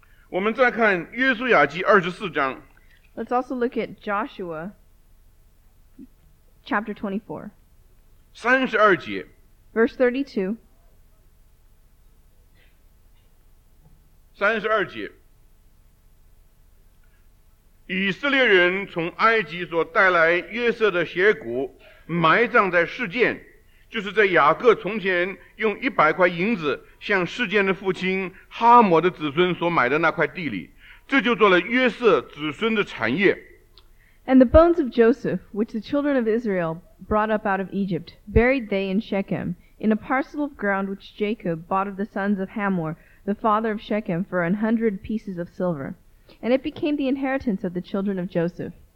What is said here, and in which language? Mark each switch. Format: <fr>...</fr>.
<zh>我们再看约书亚记二十四章。</zh> <en>Let's also look at Joshua chapter 24.</en> <zh>三十二节。</zh> <en>Verse 32.</en> <zh>三十二节，以色列人从埃及所带来约瑟的鞋骨埋葬在示剑，就是在雅各从前用一百块银子向示剑的父亲哈摩的子孙所买的那块地里，这就做了约瑟子孙的产业。</zh> <en>And the bones of Joseph, which the children of Israel brought up out of Egypt, buried they in Shechem, in a parcel of ground which Jacob bought of the sons of Hamor,the father of Shechem, for 100 pieces of silver. And it became the inheritance of the children of Joseph.</en>